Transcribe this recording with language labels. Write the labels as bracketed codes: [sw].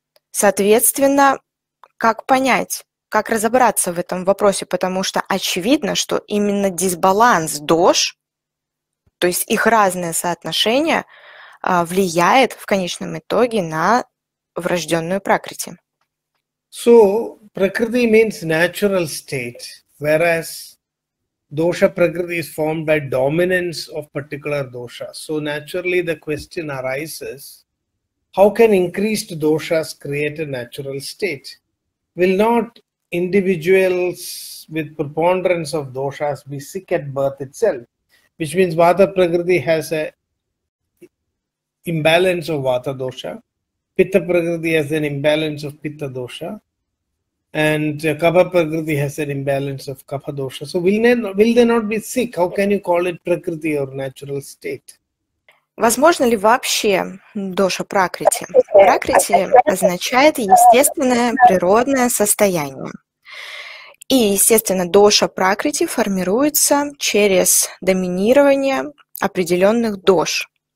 [ru] Соответственно, как понять, как разобраться в этом вопросе, потому что очевидно, что именно дисбаланс дош, то есть их разное соотношение, влияет в конечном итоге на врожденную пракрити. [en] So, prakriti means natural state, whereas dosha prakriti is formed by dominance of particular dosha. So, naturally the question arises, how can increased doshas create a natural state? Will not individuals with preponderance of doshas be sick at birth itself? Which means vata prakriti has an imbalance of vata dosha, pitta prakriti has an imbalance of pitta dosha, and kapha prakriti has an imbalance of kapha dosha. So will they not be sick? How can you call it prakriti or natural state? [ru] Возможно ли вообще доша пракрити? Пракрити означает естественное природное состояние. И, естественно, доша пракрити формируется через доминирование определенных дош.